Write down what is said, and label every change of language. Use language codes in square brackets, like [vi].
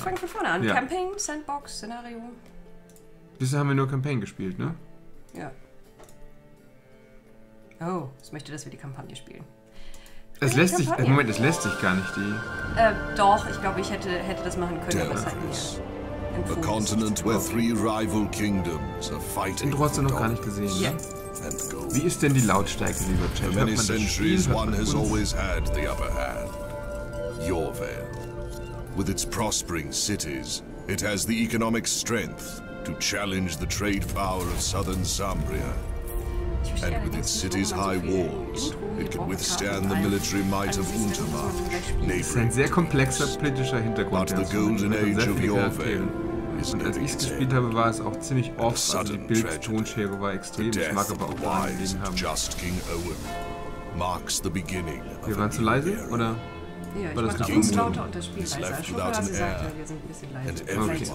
[de] Wir fangen von vorne an. Ja. Campaign, Sandbox, Szenario. Bisher haben wir nur Campaign gespielt, ne? Ja. Oh, ich möchte, dass wir die Kampagne spielen. Es lässt sich, Moment, es lässt sich gar nicht, die... Doch, ich glaube, ich hätte das machen können, aber es hat mir empfohlen. [en] The continent where three rival kingdoms are fighting. [de] Du hast ja noch gar nicht gesehen, ne? Wie ist denn die Lautstärke, lieber Chat? [en] For many centuries, one has always had the upper hand. Yorvale. With its prospering cities, it has the economic strength to challenge the trade power of southern Sambria. And with its city's high walls, it can withstand the military might of Untermarch. [de] Das ist ein sehr komplexer politischer Hintergrund. [en] But the golden age of Yorvale isn't [de] als ich gespielt habe, war es auch ziemlich oft. Also die Bild-Tonschere war extrem. Ich mag aber auch Wahlen gegeben haben. Wir waren zu leise, oder? Ja, ich mache uns lauter und das Spiel leiser. Schon hat gesagt, wir sind ein bisschen leiser.